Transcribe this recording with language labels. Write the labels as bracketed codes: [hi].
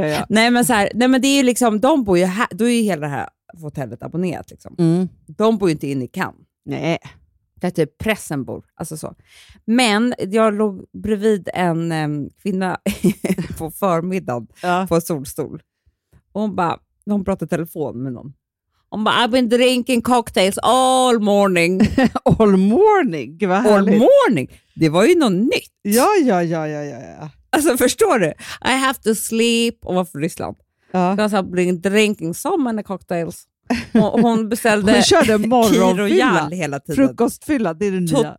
[sv] Nej, men så här, nej men det är ju liksom, de bor ju här, då är ju hela det här hotellet abonnerat liksom. Mm. De bor ju inte inne i Cannes. Nej. Det är typ pressen bor, alltså så. Men jag låg bredvid en kvinna på förmiddagen på en solstol. Och hon bara, hon pratade telefon med någon. Hon bara, [en] I've been drinking cocktails all morning. All morning, [sv] vad härligt. [en] All morning, [sv] det var ju något nytt. Ja. Alltså förstår du? [en] I have to sleep. [sv] Och varför Ryssland? Ja. Jag har blivit [en] drinking so many cocktails. [sv] Hon beställde hon körde morgonfylla hela tiden. Frukostfylla, det är det nya.